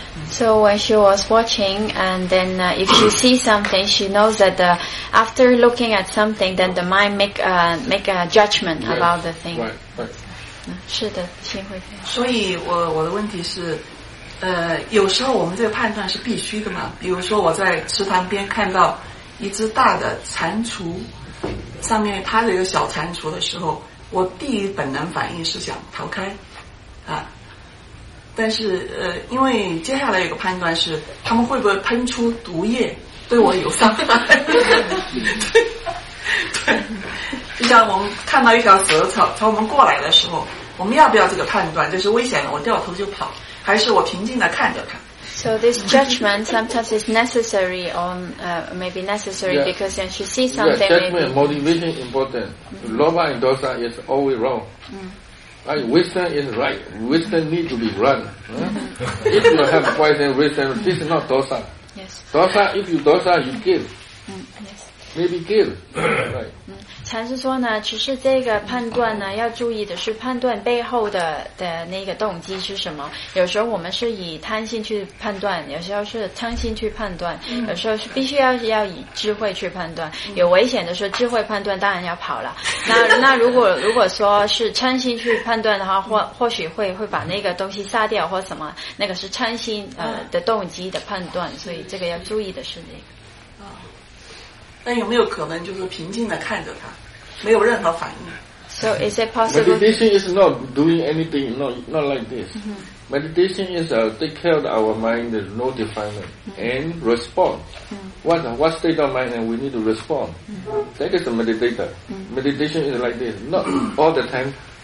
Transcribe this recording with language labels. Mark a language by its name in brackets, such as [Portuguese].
[English] So when she was watching, and then if she sees something, she knows that after looking at something, then the mind make a judgment about the thing. Right. [Chinese] 是的，请回答。所以我的问题是，有时候我们这个判断是必须的嘛？比如说我在池塘边看到一只大的蟾蜍，上面趴着一个小蟾蜍的时候。我第一本能反应是想逃开，但是因为接下来有个判断是他们会不会喷出毒液对我有伤害，对，就像我们看到一条蛇朝我们过来的时候，我们要不要这个判断，就是危险了，我掉头就跑，还是我平静的看着它。 [English] So this judgment sometimes is necessary on maybe necessary yeah. because when you see something. Yeah, judgment and motivation important. Mm-hmm. Lobha and dosa is always wrong. Mm-hmm. Right, wisdom is right. Wisdom needs to be run. Huh? If you have poison wisdom, this is not dosa. Yes. Dosa, if you dosa, you give. Mm-hmm. Yes. Maybe give. Right. [Chinese] 禅师说呢，其实这个判断呢，要注意的是判断背后的那个动机是什么。有时候我们是以贪心去判断，有时候是嗔心去判断，有时候是必须要以智慧去判断。有危险的时候，智慧判断当然要跑了。那如果说是嗔心去判断的话，或许会把那个东西杀掉或什么，那个是嗔心的动机的判断，所以这个要注意的是这个。那有没有可能就是平静的看着他，没有任何反应 [English] ？So is it possible? Meditation is not doing anything, not like this.、Mm-hmm. Meditation is take care of our mind, there's no defilement、mm-hmm. and respond.、Mm-hmm. What state of mind and we need to respond?、Mm-hmm. That is the meditator.、Mm-hmm. Meditation is like this, not all the time.